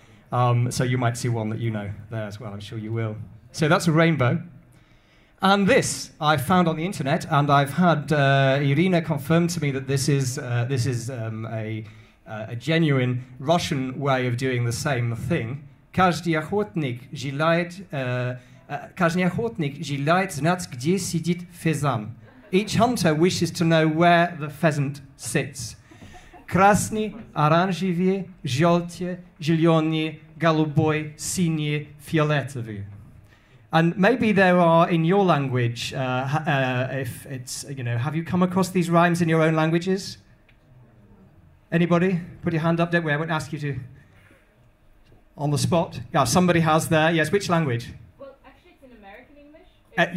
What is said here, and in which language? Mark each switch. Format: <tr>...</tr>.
<en>So you might see one that you know there as well, I'm sure you will. So that's a rainbow. And this I found on the internet, and I've had Irina confirm to me that this is a genuine Russian way of doing the same thing.</en> <ru>Каждый охотник желает знать, где сидит фазан.</ru> <en>Each hunter wishes to know where the pheasant sits.</en> <ru>Красный, оранжевый, желтый, зеленый, голубой, синий, фиолетовый.</ru> <en>And maybe there are in your language, if it's, you know, have you come across these rhymes in your own languages? Anybody? Put your hand up, don't worry, I won't ask you to. On the spot. Yeah, somebody has there. Yes, which language? Well, actually, it's in American English. It's</en>